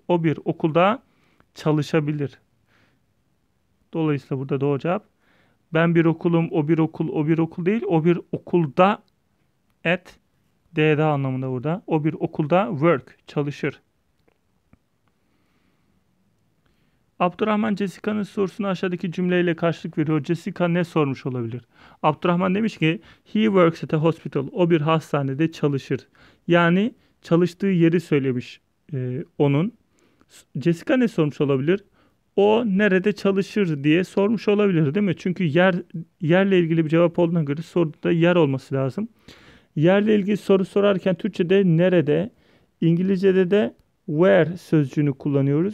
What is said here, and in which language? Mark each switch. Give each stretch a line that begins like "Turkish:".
Turkish: O bir okulda çalışabilir. Dolayısıyla burada doğru cevap. Ben bir okulum. O bir okul. O bir okul değil. O bir okulda at DD anlamında burada. O bir okulda work, çalışır. Abdurrahman Jessica'nın sorusunu aşağıdaki cümleyle karşılık veriyor. Jessica ne sormuş olabilir?
English: Abdurrahman
Turkish: demiş ki
English: he works at a hospital.
Turkish: O bir hastanede çalışır. Yani çalıştığı yeri söylemiş onun. Jessica ne sormuş olabilir? O nerede çalışır diye sormuş olabilir, değil mi? Çünkü yerle ilgili bir cevap olduğuna göre soruda yer olması lazım. Yerle ilgili soru sorarken Türkçe'de nerede, İngilizce'de de where sözcüğünü kullanıyoruz.